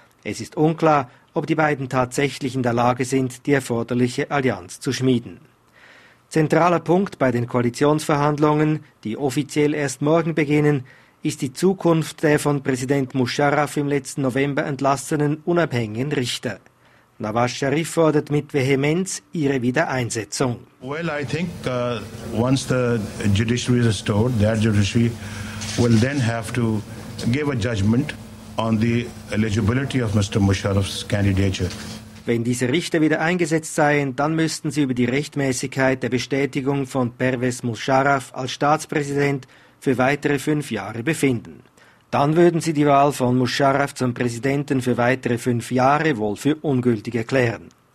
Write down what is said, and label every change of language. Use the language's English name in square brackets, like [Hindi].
[German] Es ist unklar, ob die beiden tatsächlich in der Lage sind, die erforderliche Allianz zu schmieden. Zentraler Punkt bei den Koalitionsverhandlungen, die offiziell erst morgen beginnen, ist die Zukunft der von Präsident Musharraf im letzten November entlassenen unabhängigen Richter. Nawaz Sharif fordert mit Vehemenz ihre Wiedereinsetzung. [English] Well, I think once the judiciary is restored, their judiciary will then have to give a judgment on the eligibility of Mr. Musharraf's candidature. [German] Wenn diese Richter wieder eingesetzt seien, dann müssten sie über die Rechtmäßigkeit der Bestätigung von Pervez Musharraf als Staatspräsident für weitere 5 Jahre befinden. Dann würden sie die Wahl von Musharraf zum Präsidenten für weitere 5 Jahre wohl für ungültig erklären.